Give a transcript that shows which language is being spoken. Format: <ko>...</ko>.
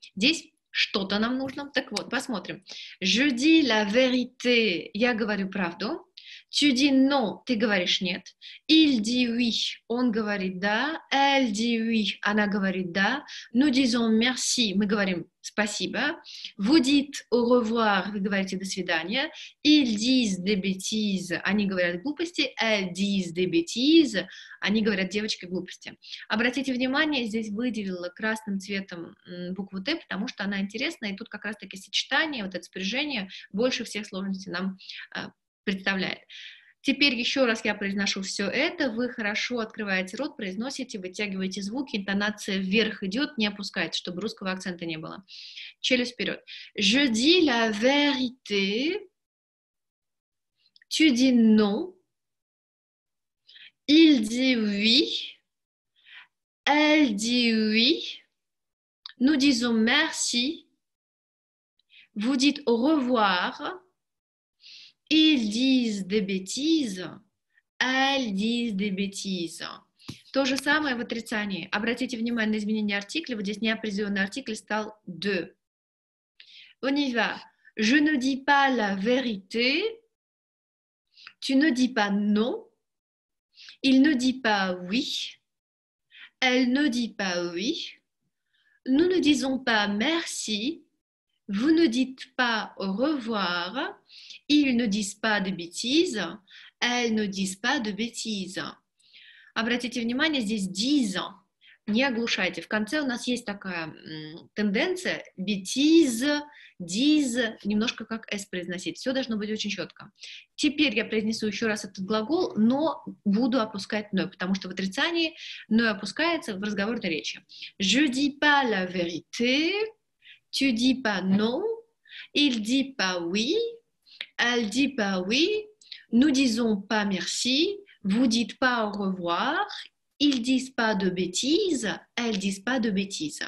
<ru>Здесь что-то нам нужно. Так вот, посмотрим.</ru> <fr>Je dis la vérité.</fr> <ru>Я говорю правду.</ru> <fr>Tu dis non,</fr> <ru>ты говоришь нет.</ru> <fr>Il dit oui,</fr> <ru>он говорит да.</ru> <fr>Elle dit oui,</fr> <ru>она говорит да.</ru> <fr>Nous disons merci,</fr> <ru>мы говорим спасибо.</ru> <fr>Vous dites au revoir,</fr> <ru>вы говорите до свидания.</ru> <fr>Ils disent des bêtises,</fr> <ru>они говорят глупости.</ru> <fr>Elles disent des bêtises,</fr> <ru>они говорят девочки глупости. Обратите внимание, здесь выделила красным цветом букву Т, потому что она интересна, и тут как раз-таки сочетание, вот это спряжение больше всех сложностей нам представляет. Теперь еще раз я произношу все это. Вы хорошо открываете рот, произносите, вытягиваете звуки, интонация вверх идет, не опускайте, чтобы русского акцента не было. Челюсть вперед.</ru> <fr>Je dis la vérité. Tu dis non. Il dit oui. Elle dit oui. Nous disons merci. Vous dites au revoir. Ils disent des bêtises. Elles disent des bêtises.</fr> <ru>То же самое в отрицании. Обратите внимание на изменение артикля. Вот здесь неопределенный артикль стал de.</ru> <fr>On y va. Je ne dis pas la vérité. Tu ne dis pas non. Il ne dit pas oui. Elle ne dit pas oui. Nous ne disons pas merci. Vous ne dites pas au revoir, ils ne disent pas de bêtises, elles ne disent pas de bêtises.</fr> <ru>Обратите внимание, здесь disent, не оглушайте. В конце у нас есть такая тенденция, bêtises, disent, немножко как S произносить. Все должно быть очень четко. Теперь я произнесу еще раз этот глагол, но буду опускать «но», потому что в отрицании «но» опускается в разговорной речи.</ru> <fr>Je dis pas la vérité. Tu dis pas non, il dit pas oui, elle dit pas oui, nous disons pas merci, vous dites pas au revoir, ils disent pas de bêtises, elles disent pas de bêtises.</fr>